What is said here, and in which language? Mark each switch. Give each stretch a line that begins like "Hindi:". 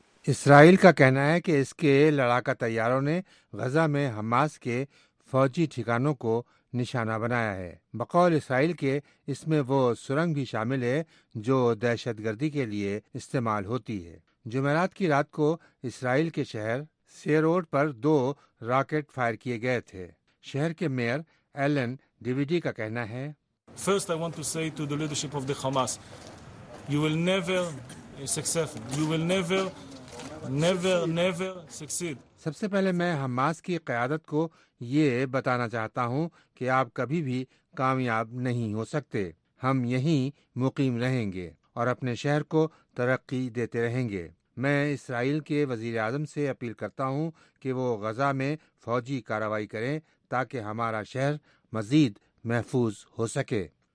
Urdu: اسرائیل کا کہنا ہے کہ اس کے لڑاکا طیاروں نے غزہ میں حماس کے فوجی ٹھکانوں کو نشانہ بنایا ہے۔ بقول اسرائیل کے، اس میں وہ سرنگ بھی شامل ہے جو دہشت گردی کے لیے استعمال ہوتی ہے۔ جمعرات کی رات کو اسرائیل کے شہر سیروڈ پر دو راکٹ فائر کیے گئے تھے۔ شہر کے میئر ایلن ڈیویڈی کا کہنا ہے،
English: First I want to say to the leadership of the Hamas, you will never succeed. You will never... Never succeed.
Urdu: سب سے پہلے میں حماس کی قیادت کو یہ بتانا چاہتا ہوں کہ آپ کبھی بھی کامیاب نہیں ہو سکتے، ہم یہیں مقیم رہیں گے اور اپنے شہر کو ترقی دیتے رہیں گے۔ میں اسرائیل کے وزیر اعظم سے اپیل کرتا ہوں کہ وہ غزہ میں فوجی کارروائی کریں تاکہ ہمارا شہر مزید محفوظ ہو سکے۔